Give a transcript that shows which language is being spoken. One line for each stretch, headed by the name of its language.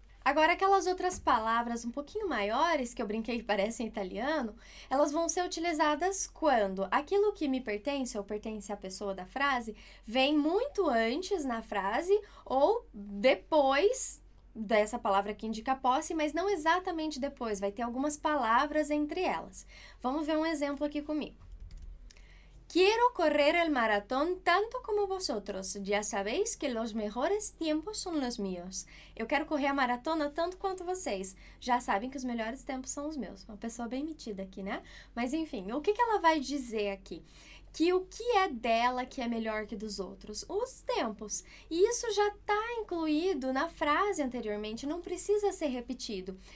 Portuguese: Agora, aquelas outras palavras um pouquinho maiores, que eu brinquei que parecem italiano, elas vão ser utilizadas quando aquilo que me pertence ou pertence à pessoa da frase vem muito antes na frase ou depois dessa palavra que indica posse, mas não exatamente depois, vai ter algumas palavras entre elas. Vamos ver um exemplo aqui comigo.
Spanish: Quiero correr el maratón tanto como vosotros. Ya sabéis que los mejores tiempos son los míos.
Portuguese: Eu quero correr a maratona tanto quanto vocês. Já sabem que os melhores tempos são os meus. Uma pessoa bem metida aqui, né? Mas enfim, o que ela vai dizer aqui? Que o que é dela que é melhor que dos outros? Os tempos. E isso já está incluído na frase anteriormente, não precisa ser repetido.